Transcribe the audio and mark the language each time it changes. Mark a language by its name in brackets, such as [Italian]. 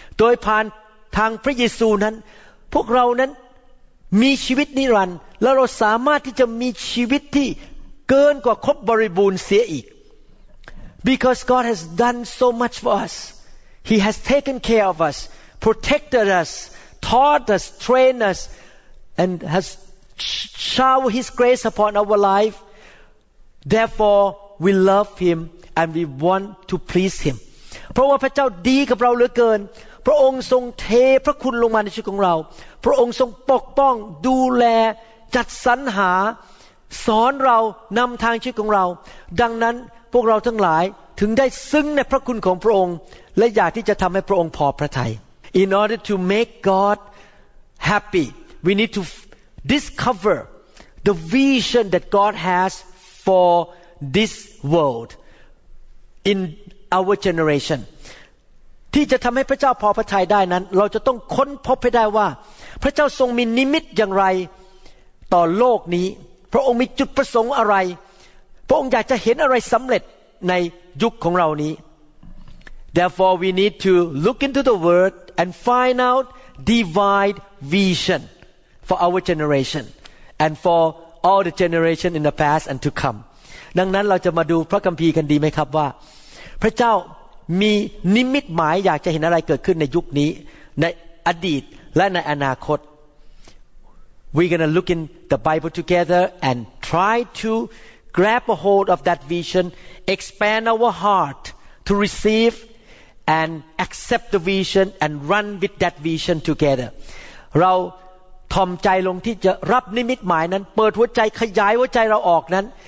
[Thai] โดยผ่านทางพระเยซูนั้นพวกเรานั้นมีชีวิตนิรันดร์และเราสามารถที่จะมีชีวิตที่เกินกว่าครบบริบูรณ์เสียอีก [English] Because God has done so much for us, He has taken care of us, protected us, taught us, trained us, and has. Shower His grace upon our life. Therefore, we love Him and we want to please Him. [Thai] เพราะว่าพระเจ้าดีกับเราเหลือเกินพระองค์ทรงเทพระคุณลงมาในชีวิตของเราพระองค์ทรงปกป้องดูแลจัดสรรหา สอนเรานำทางชีวิตของเราดังนั้นพวกเราทั้งหลายถึงได้ซึ้งในพระคุณของพระองค์และอยากที่จะทำให้พระองค์พอพระทัย [English] In order to make God happy, we need toDiscover the vision that God has for this world in our generation. [Thai] ที่จะทำให้พระเจ้าพอพระทัยได้นั้นเราจะต้องค้นพบให้ได้ว่าพระเจ้าทรงมีนิมิตอย่างไรต่อโลกนี้พระองค์มีจุดประสงค์อะไรพระองค์อยากจะเห็นอะไรสำเร็จในยุคของเรานี้ [English] Therefore, we need to look into the Word and find out divine vision. For our generation and for all the generation in the past and to come. [Thai] ดังนั้นเราจะมาดูพระคัมภีร์กันดีไหมครับว่าพระเจ้ามีนิมิตหมายอยากจะเห็นอะไรเกิดขึ้นในยุคนี้ในอดีตและในอนาคต [English] We're going to look in the Bible together and try to grab a hold of that vision, expand our heart to receive and accept the vision and run with that vision together. [Thai] เราทอมใจลงที่จะรับนิมิตหมายนั้นเปิดหัวใจขยายหัวใจเราออกนั้น